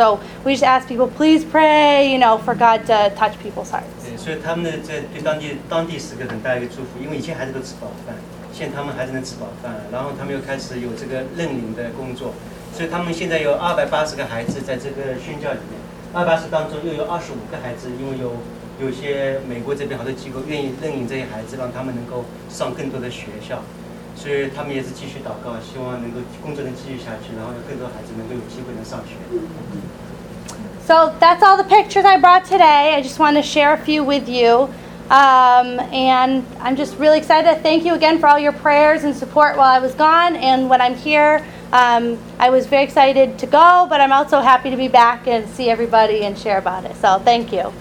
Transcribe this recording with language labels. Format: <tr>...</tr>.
<en>So we just ask people, please pray, you know, for God to touch people's hearts. Yeah, so they give the local 10 people a blessing, because before they can eat food. Now they can eat food. And then they start this learning work. So now they have 280 kids in this training.</en> <zh>280当中又有25个孩子，因为有些美国这边好多机构愿意认领这些孩子，让他们能够上更多的学校，所以他们也是继续祷告，希望能够工作能继续下去，然后有更多孩子能够有机会能上学。</zh> <en>So that's all the pictures I brought today. I just want to share a few with you. And I'm just really excited. Thank you again for all your prayers and support while I was gone and when I'm here. I was very excited to go, but I'm also happy to be back and see everybody and share about it. So thank you.</en>